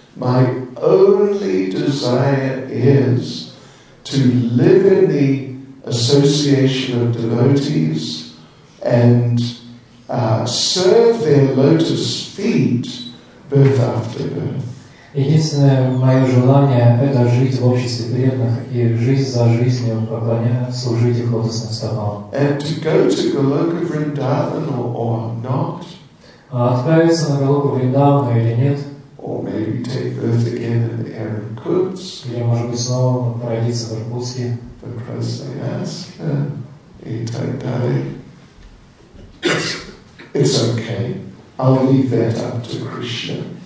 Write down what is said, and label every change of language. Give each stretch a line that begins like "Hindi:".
English: My only desire is to live in the association of devotees and serve their lotus feet birth after birth.
Russian: Единственное мое желание – это жить в обществе преданных и жизнь за жизнью поклоняться, служить их лотосным стопам.
English: And to go to Goloka Vrindavan or not?
Russian: Отправиться на Голоку Вриндаван или нет?
English: Or maybe take birth again in Irkutsk?
Russian: Или, может быть, снова родиться в Иркутске?
English: Because they ask
Russian: и так далее.
English: It's okay. I'll leave that up to Krishna.